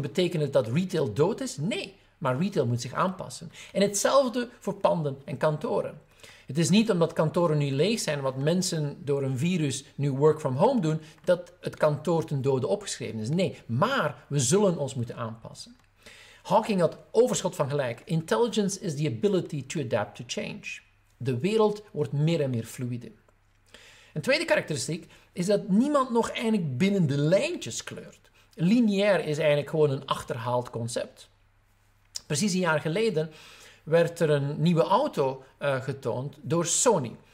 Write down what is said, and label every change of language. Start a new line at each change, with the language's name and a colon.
Dutch: Betekent het dat retail dood is? Nee, maar retail moet zich aanpassen. En hetzelfde voor panden en kantoren. Het is niet omdat kantoren nu leeg zijn, wat mensen door een virus nu
English: work from home
Dutch: doen, dat het kantoor ten dode opgeschreven is. Nee, maar we zullen ons moeten aanpassen. Hawking had overschot van gelijk.
English: Intelligence is the ability to adapt to change.
Dutch: De wereld wordt meer en meer fluide. Een tweede karakteristiek is dat niemand nog eigenlijk binnen de lijntjes kleurt. Lineair is eigenlijk gewoon een achterhaald concept. Precies 1 jaar geleden werd er een nieuwe auto getoond door Sony.